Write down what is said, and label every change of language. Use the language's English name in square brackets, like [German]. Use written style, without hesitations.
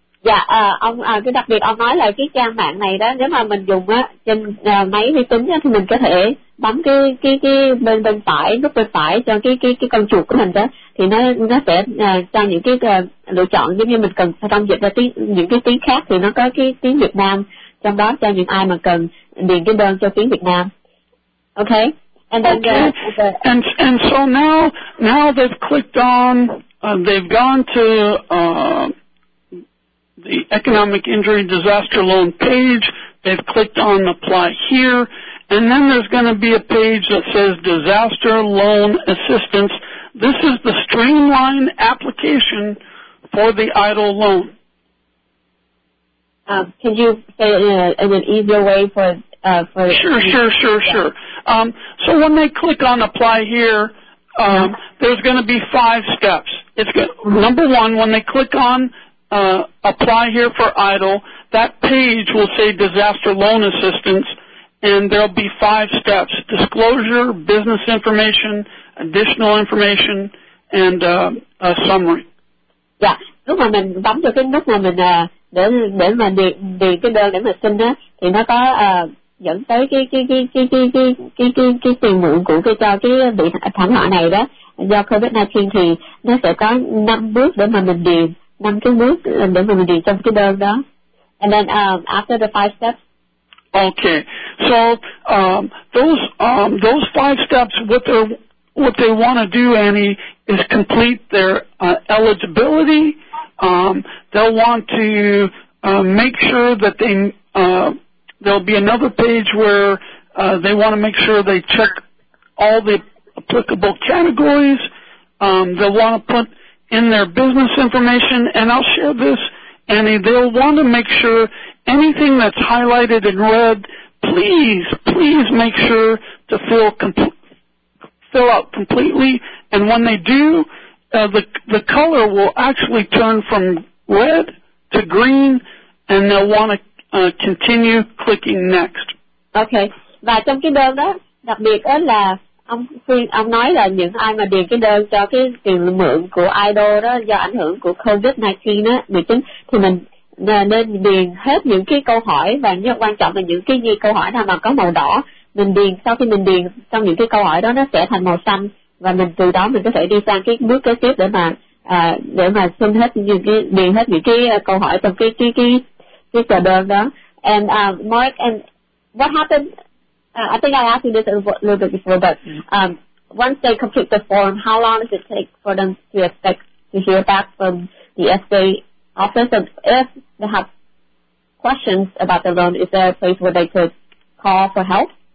[Vietnamese] Dạ, cái đặc biệt ông nói là cái trang mạng này đó, nếu mà mình dùng á trên máy vi tính á, thì mình có thể bấm cái bên phải, nút bên phải cho cái con chuột của mình đó, thì nó sẽ cho những cái lựa chọn giống như mình cần phải tâm dịch ra tiếng, những cái tiếng khác thì nó có cái tiếng Việt Nam trong đó cho những ai mà cần điền cái đơn cho tiếng Việt Nam. [English] Okay? And then, okay. And so now they've clicked on, they've gone to the Economic Injury Disaster Loan page, they've clicked on apply here, and then there's going to be a page that says Disaster Loan Assistance. This is the streamlined application for the idle loan. Can you say it in an easier way for Sure. So when they click on apply here, there's going to be five steps. It's number one, when they click on apply here for idle, that page will say disaster loan assistance, and there'll be five steps: disclosure, business information, additional information, and a summary. [Vietnamese] Yeah, lúc mà mình bấm cho cái nút mà mình để mà điền cái đơn để mà xin á, thì nó có dẫn tới cái tiền mượn của cái cho cái bị thảm họa này đó. Do COVID-19 thì nó sẽ có năm bước để mà mình điền. Năm cái bước để mình điền trong cái đơn đó. [English] And then after the five steps. Okay, so those five steps, what they want to do, Annie, is complete their eligibility. They'll want to make sure that they there'll be another page where they want to make sure they check all the applicable categories. They'll want to put in their business information, and I'll share this, Annie, they'll want to make sure anything that's highlighted in red, please make sure to fill out completely, and when they do, the color will actually turn from red to green, and they'll want to continue clicking next. [Vietnamese] Okay, và trong cái đơn đó, đặc biệt đó là ông nói là những ai mà điền cái đơn cho cái tiền mượn của idol đó do ảnh hưởng của COVID-19 á, bị chính thì mình nên điền hết những cái câu hỏi, và nhất quan trọng là những cái gì câu hỏi nào mà có màu đỏ mình điền, sau khi mình điền xong những cái câu hỏi đó nó sẽ thành màu xanh, và mình từ đó mình có thể đi sang cái bước kế tiếp để mà xin hết những cái điền hết những cái câu hỏi trong cái tờ đơn đó. [English] And Mark, and what happened? I think I asked you this a little bit before, but once they complete the form, how long does it take for them to expect to hear back from the SBA office? And if they have questions about the loan, is there a place where they could call for help?